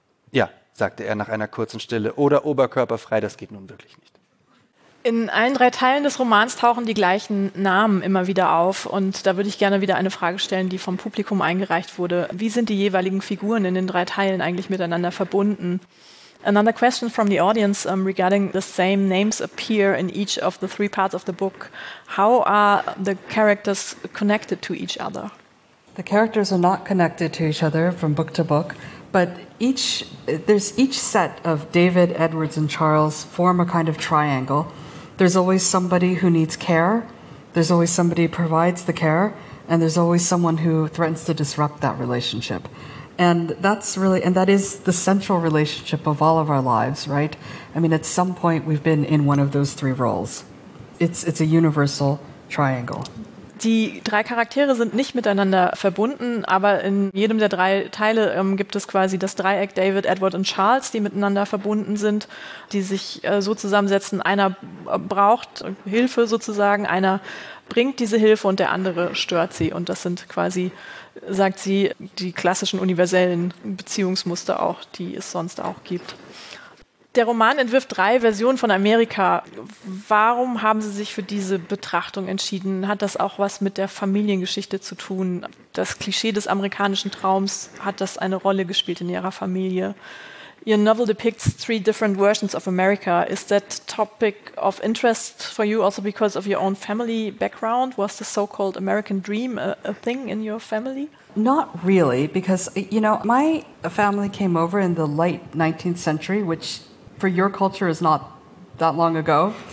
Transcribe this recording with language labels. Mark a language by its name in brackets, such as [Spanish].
[German] »Ja«, sagte er nach einer kurzen Stille, »oder oberkörperfrei, das geht nun wirklich nicht.« In allen drei Teilen des Romans tauchen die gleichen Namen immer wieder auf. Und da würde ich gerne wieder eine Frage stellen, die vom Publikum eingereicht wurde. Wie sind die jeweiligen Figuren in den drei Teilen eigentlich miteinander verbunden? [English] Another question from the audience regarding the same names appear in each of the three parts of the book. How are the characters connected to each other? The characters are not connected to each other from book to book, but each set of David, Edwards and Charles form a kind of triangle. There's always somebody who needs care, there's always somebody who provides the care, and there's always someone who threatens to disrupt that relationship. And that's really, and that is the central relationship of all of our lives, right? I mean, at some point we've been in one of those three roles. It's a universal triangle. [German] Die drei Charaktere sind nicht miteinander verbunden, aber in jedem der drei Teile gibt es quasi das Dreieck David, Edward und Charles, die miteinander verbunden sind, die sich so zusammensetzen, einer braucht Hilfe sozusagen, einer bringt diese Hilfe und der andere stört sie. Und das sind quasi, sagt sie, die klassischen universellen Beziehungsmuster auch, die es sonst auch gibt. Der Roman entwirft drei Versionen von Amerika. Warum haben Sie sich für diese Betrachtung entschieden? Hat das auch was mit der Familiengeschichte zu tun? Das Klischee des amerikanischen Traums, hat das eine Rolle gespielt in Ihrer Familie? [English] Your novel depicts three different versions of America. Is that topic of interest for you also because of your own family background? Was the so-called American dream a thing in your family? Not really, because, you know, my family came over in the late 19th century, which for your culture is not that long ago.